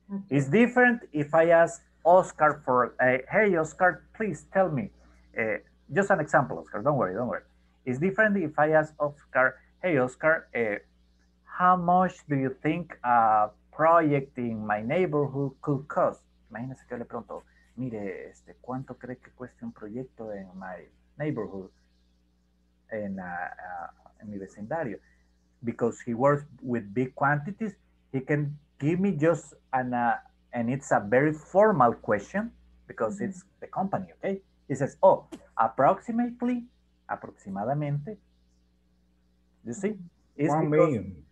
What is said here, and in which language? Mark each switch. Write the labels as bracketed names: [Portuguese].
[English] It's different if I ask Oscar for, hey, Oscar, please tell me. Just an example, Oscar, don't worry. It's different if I ask Oscar, hey, Oscar, how much do you think a project in my neighborhood could cost? [Spanish] Imagínese que yo le pregunto, mire, ¿cuánto cree que cueste un proyecto en [English] my neighborhood, [Spanish] en mi vecindario? [English] Because he works with big quantities, he can give me just and it's a very formal question because it's the company, okay? He says, oh, approximately, aproximadamente, you see? It's 1 million.